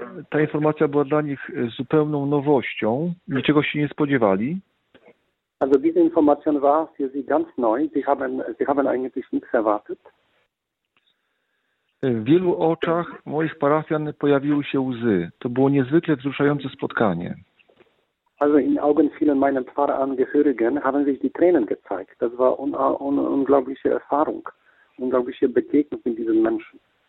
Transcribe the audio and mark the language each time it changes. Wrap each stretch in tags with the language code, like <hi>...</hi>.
<pl>Ta informacja była dla nich zupełną nowością. Niczego się nie spodziewali.</pl> <de>Also diese Information war für sie ganz neu. Sie haben eigentlich nichts erwartet.</de> <pl>W wielu oczach moich parafian pojawiły się łzy. To było niezwykle wzruszające spotkanie.</pl> <de>Also in Augen vielen meiner Pfarrangehörigen haben sich die Tränen gezeigt. Das war eine unglaubliche Erfahrung, unglaubliche Begegnung mit diesen Menschen.</de>